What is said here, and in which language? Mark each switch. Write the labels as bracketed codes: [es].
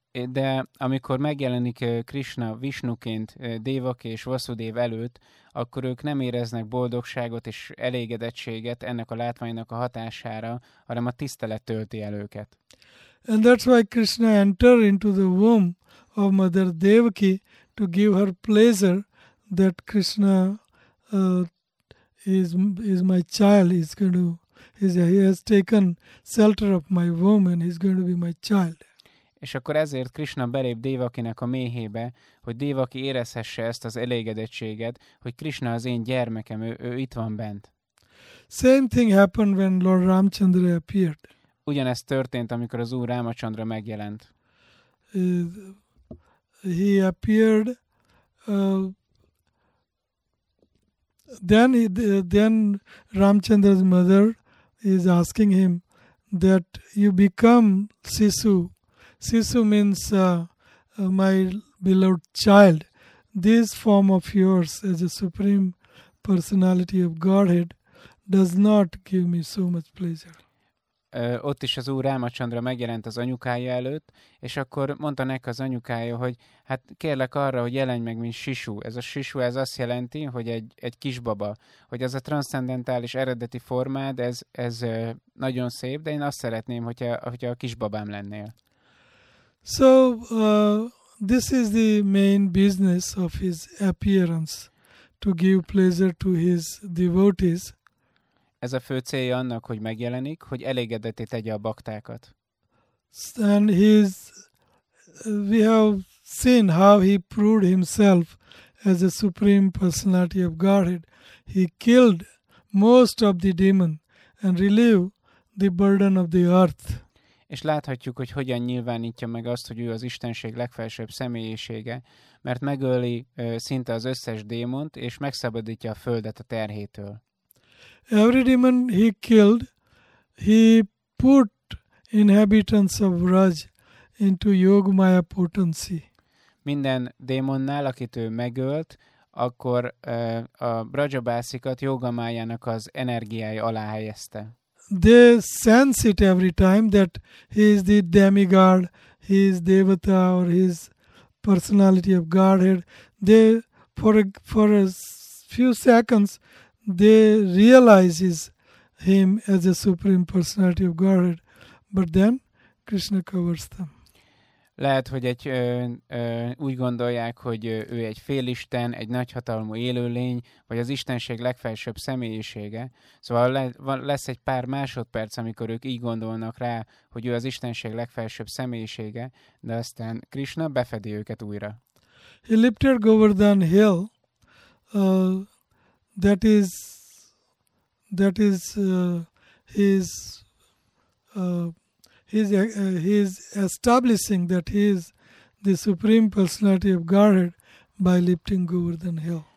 [hu] De amikor megjelenik Krishna Vishnuként Devaki és Vasudev előtt, akkor ők nem éreznek boldogságot és elégedettséget ennek a látványnak a hatására, hanem a tisztelet tölti el őket. [en] And that's why Krishna enter into the womb of Mother Devaki to give her pleasure that Krishna is my child, he has taken shelter of my womb and he's going to be my child. [hu] És akkor ezért Krishna belép Devakinek a méhébe, hogy Devaki érezhesse ezt az elégedettséget, hogy Krishna az én gyermekem, ő itt van bent. [en] Same thing happened when Lord Ramchandra appeared. [hu] Ugyanezt történt, amikor az Úr Rámacsandra megjelent. [en] He appeared then Ramchandra's mother is asking him that you become Sisu. Sisu means my beloved child. This form of yours as a supreme personality of Godhead does not give me so much pleasure. [hu] Ott is az Úr Rámacsandra megjelent az anyukája előtt, és akkor mondta neki az anyukája, hogy hát kérlek arra, hogy jelenj meg, mint Sisu. Ez a Sisu, ez azt jelenti, hogy egy kisbaba, hogy ez a transzcendentális eredeti formád, ez nagyon szép, de én azt szeretném, hogyha a kisbabám lennél. [en] So, this is the main business of his appearance, to give pleasure to his devotees. [hu] Ez a fő célja annak, hogy megjelenik, hogy elégedetté tegye a baktákat. [en] And we have seen how he proved himself as a supreme personality of Godhead. He killed most of the demon and relieved the burden of the earth. [hu] és láthatjuk, hogy hogyan nyilvánítja meg azt, hogy ő az Istenség legfelsőbb személyisége, mert megöli szinte az összes démont, és megszabadítja a földet a terhétől. [en] Every demon he killed, he put inhabitants of Raj into yogamaya potency. [hu] Minden démonnál, akit ő megölt, akkor a Brajabásikat jogamájának az energiája alá helyezte. [en] They sense it every time that he is the demigod, he is devata or his personality of Godhead. They for a few seconds they realize him as a supreme personality of Godhead, but then Krishna covers them. [hu] Lehet, hogy egy úgy gondolják, hogy ő egy félisten, egy nagyhatalmú élőlény, vagy az Istenség legfelsőbb személyisége. Szóval lesz egy pár másodperc, amikor ők így gondolnak rá, hogy ő az Istenség legfelsőbb személyisége, de aztán Krishna befedi őket újra. [en] He lifted Govardhan Hill, he is establishing that he is the supreme personality of Godhead by lifting Govardhan Hill.